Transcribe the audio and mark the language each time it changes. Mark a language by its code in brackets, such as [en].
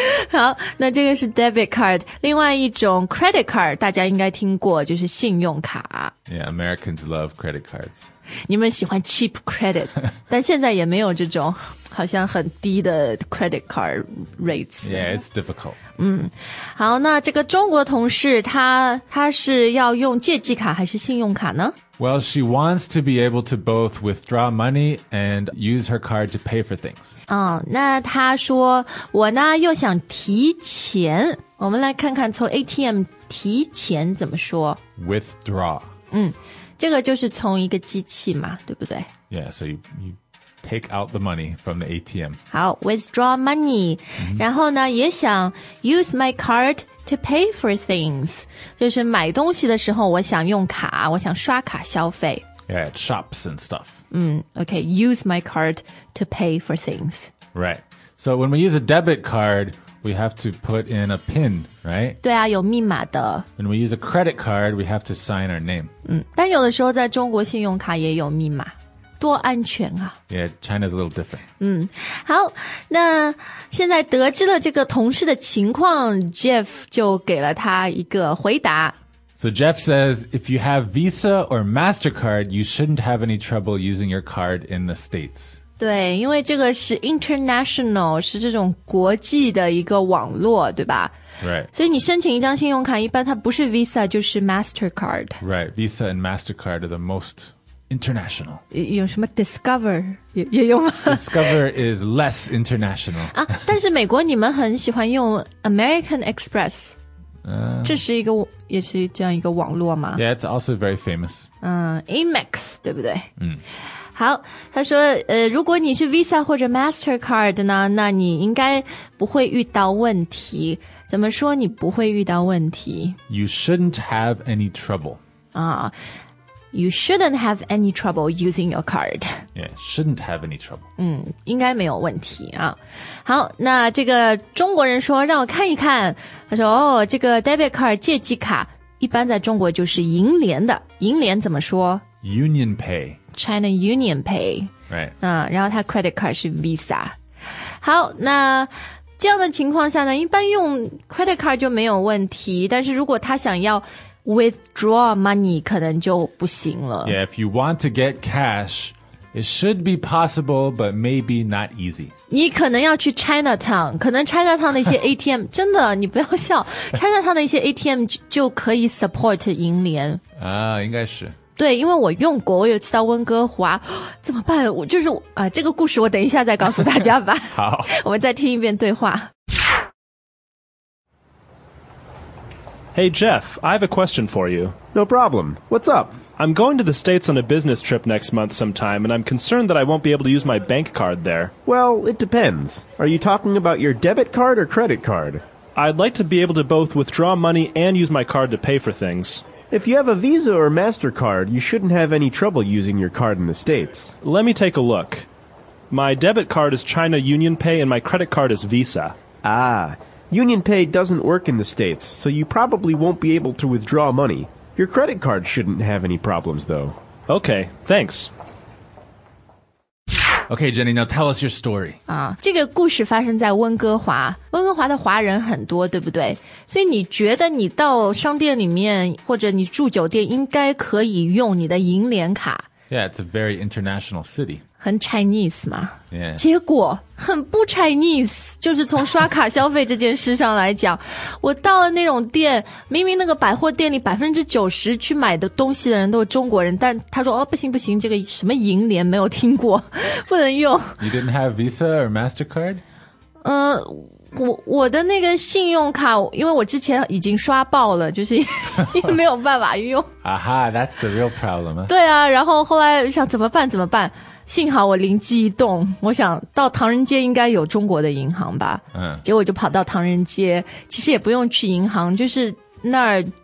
[zh] 好，那这个是 [en] debit card, [zh] 另外一种 [en] credit card [zh] 大家应该听过，就是信用卡。 [en] Yeah, Americans love credit cards. [zh] 你们喜欢 [en] cheap credit, [zh] 但现在也没有这种好像很低的 [en] credit card rates. Yeah, it's difficult. [zh] 好，那这个中国同事他是要用借记卡还是信用卡呢？ [en] Well, she wants to be able to both withdraw money and use her card to pay for things. [zh] 那她说我呢又想提钱。我们来看看从 ATM 提钱怎么说。 [en] Withdraw. [zh] 这个就是从一个机器嘛，对不对？ [en] Yeah, so you take out the money from the ATM. [zh] 好 [en] withdraw money.、 [zh] 然后呢也想 [en] use my card to pay for things. [zh] 就是买东西的时候我想用卡，我想刷卡消费。 [en] Yeah, at shops and stuff. Okay, use my card to pay for things. Right. So when we use a debit card, we have to put in a pin, right? [zh] 对啊，有密码的。 [en] When we use a credit card, we have to sign our name. [zh] 但有的时候在中国信用卡也有密码。多安全啊。 [en] Yeah, China's a little different. [zh] 好，那现在得知了这个同事的情况， Jeff 就给了他一个回答。 [en] So Jeff says, if you have Visa or MasterCard, you shouldn't have any trouble using your card in the States. [zh] 对，因为这个是 [en] international, [zh] 是这种国际的一个网络，对吧？ [en] Right. [zh] 所以你申请一张信用卡，一般它不是 Visa, 就是 MasterCard. [en] Right, Visa and MasterCard are the most... International. [zh] 有什么 Discover 也用吗？ [en] Discover is less international. [zh] 但是美国你们很喜欢用 American Express. 这是一个也是这样一个网络吗？ [en] Yeah, it's also very famous. [zh] Amex, 对不对？好，他说如果你是 Visa 或者 MasterCard 呢，那你应该不会遇到问题。怎么说你不会遇到问题？ [en] You shouldn't have any trouble. You shouldn't have any trouble using your card. Yeah, shouldn't have any trouble. [zh] 应该没有问题啊。好，那这个中国人说让我看一看。他说哦，这个 [en] debit card [zh] 借记卡一般在中国就是银联的。银联怎么说？ [en] Union Pay. China Union Pay. Right. [zh] 然后他 [en] credit card [zh] 是 Visa. 好，那这样的情况下呢，一般用 [en] credit card [zh] 就没有问题。但是如果他想要 [en] withdraw money [zh] 可能就不行了。 [en] Yeah, if you want to get cash, it should be possible, but maybe not easy. [zh] 你可能要去 Chinatown, 可能 Chinatown 的一些 ATM, 真的你不要笑, Chinatown 的一些 ATM 就可以 [en] support [zh] 银联。应该是。对，因为我用过，我有次到温哥华，怎么办？我就是这个故事我等一下再告诉大家吧。好。我们再听一遍对话。 [en] Hey, Jeff, I have a question for you. No problem. What's up? I'm going to the States on a business trip next month sometime, and I'm concerned that I won't be able to use my bank card there. Well, it depends. Are you talking about your debit card or credit card? I'd like to be able to both withdraw money and use my card to pay for things. If you have a Visa or MasterCard, you shouldn't have any trouble using your card in the States. Let me take a look. My debit card is China Union Pay, and my credit card is Visa. Union Pay doesn't work in the States, so you probably won't be able to withdraw money. Your credit card shouldn't have any problems, though. Okay, thanks. Okay, Jenny, now tell us your story. [zh] 这个故事发生在温哥华。温哥华的华人很多，对不对？所以你觉得你到商店里面，或者你住酒店，应该可以用你的银联卡。 [en] Yeah, it's a very international city. [zh] 很 [en] Chinese [zh] 嘛。 [en] Yeah. [zh] 结果很不 [en] Chinese, [zh] 就是从刷卡消费这件事上来讲。我到了那种店，明明那个百货店里 90% 去买的东西的人都是中国人，但他说哦，不行不行，这个什么银联没有听过，不能用。 [en] You didn't have Visa or MasterCard? [zh] 我的那个信用卡，因为我之前已经刷爆了，就是没有办法用。 [en] that's the real problem. [zh] 对啊，然后后来想怎么办怎么办，幸好我灵机一动，我想到唐人街应该有中国的银行吧。结果就跑到唐人街，其实也不用去银行，就是那儿